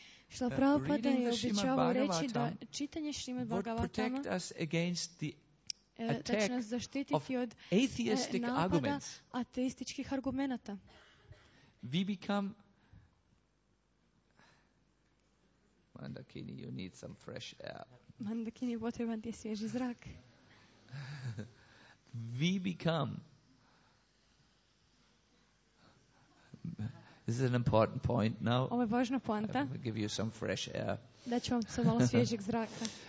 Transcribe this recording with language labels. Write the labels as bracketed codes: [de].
[hr] Srila Prabhupada je običavao reći da čitanje Srimad [en] Bhagavatama would protect us against the attack of atheistic arguments. [hr] Ateističkih argumenata. [en] We become... Mandakini, you need some fresh air. [hr] Mandakini, potreban ti je svježi zrak. [en] We become... This is an important point now. [hr] Ovo je važna poanta. [en] I'll give you some fresh air. [hr] Daću vam se malo svježeg zraka.